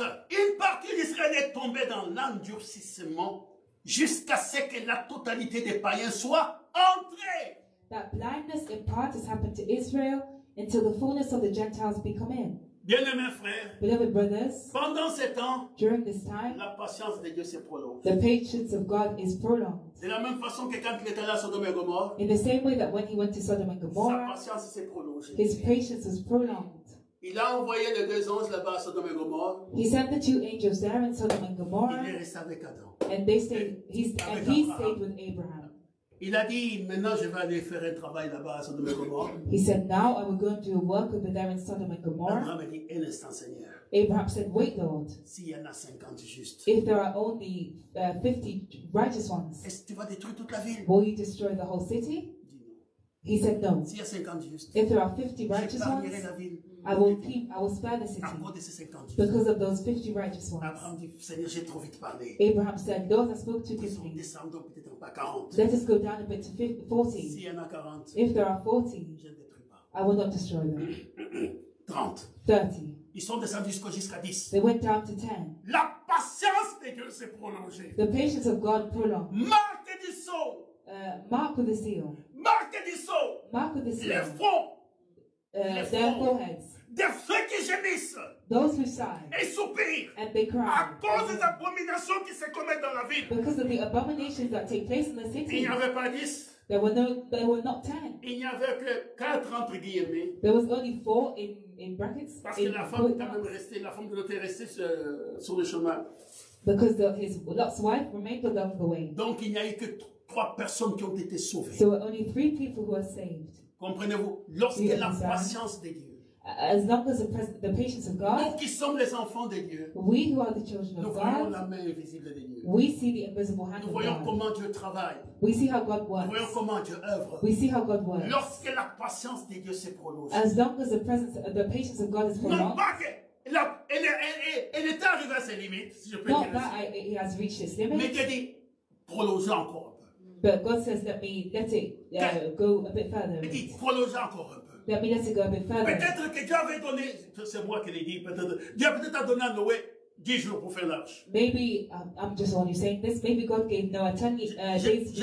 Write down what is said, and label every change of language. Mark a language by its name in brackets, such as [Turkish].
[French] Une partie d'Israël est tombée dans l'endurcissement jusqu'à ce que la totalité des païens soit entrée. [English] That blindness in part has happened to Israel until the fullness of the Gentiles be come in. [French] Bien-aimés frères, [English] beloved brothers, [French] pendant ce temps, [English] during this time, [French] la patience de Dieu se prolonge. [English] The patience of God is prolonged. [French] De la même façon que quand il était à Sodome et Gomorrah, [English] in the same way that when he went to Sodom and Gomorrah, [French] sa patience s'est prolongée. [English] His patience was prolonged. [French] Il a envoyé les deux anges là-bas à Sodome et Gomorrah. [English] He sent the two angels there in Sodom and Gomorrah. [French] Il est resté avec Adam. [English] And they stayed. He stayed with Abraham. [French] Il a dit, maintenant je vais aller faire un travail là-bas à Sodome et Gomorrah. [English] He said, now I will go and do a work over there in Sodom and Gomorrah. [French] Abraham a dit, un instant, Seigneur. [English] Abraham said, wait, Lord. [French] S'il y en a 50 justes. [English] If there are only 50 righteous ones. [French] Est-ce que tu vas détruire toute la ville? [English] Will you destroy the whole city? He said, no. [French] S'il y a 50 justes. [English] If there are 50 righteous ones. [French] La ville. [English] I will spare the city because of those 50 righteous ones. [French] Abraham, dit, Seigneur, j'ai trop vite parlé. [English] Abraham said, Lord, I spoke too quickly. Let us go down a bit to 40. [French] Si y en a 40. [English] If there are 40, [French] je ne détruis pas. [English] I will not destroy them. [French] 30. Ils sont descendus jusqu'à 10. [English] They went down to 10. [French] La patience de Dieu s'est prolongée. [English] The patience of God prolonged. [French] Marque du sceau. [English] Mark with the seal. [French] Marque du sceau. [English] Mark with the seal. [French] Le front. [English] Their foreheads. [French] De ceux qui gémissent. [English] Those who sigh. [French] Et soupirent. [English] And they cry. [French] À cause des abominations qui se commettent dans la ville. [English] Because of the abominations that take place in the city. [French] Il n'y avait pas 10. [English] There were not 10. [French] Il n'y avait que 4 entre guillemets. [English] There was only 4 in brackets. [French] Parce que la femme était même restée, la femme de l'autre est restée sur le chemin. [English] Because his Lot's wife remained along the way. [French] Donc il n'y a eu que 3 personnes qui ont été sauvées. [English] So only 3 people who were saved. [French] Comprenez-vous, lorsque la patience de Dieu, [English] as long as the patience of God, [French] nous qui sommes les enfants de Dieu, [English] we who are the children of [French] nous [English] God, [French] voyons la main invisible de Dieu, [English] we see the invisible hand [French] nous voyons [English] of God. [French] Comment Dieu travaille, [English] we see how God works. [French] Nous voyons comment Dieu œuvre, [English] we see how God works. [French] Lorsque la patience de Dieu se prolonge, [English] as long as the patience of God is prolonged, [French] elle est arrivée à ses limites, si je peux [English] not [French] dire [English] that I, he has reached his limit, [French] mais Dieu dit, prolonge encore. [English] But God says, let it go a bit further. [French] Il dit, prolongez encore un peu. [English] Let me let it go a bit further. [French] Peut-être que Dieu avait donné, c'est moi qui l'ai dit, peut-être, Dieu peut-être a donné à Noé 10 jours pour faire l'arche. [English] Maybe, I'm just only saying this, maybe God gave Noah 10 days.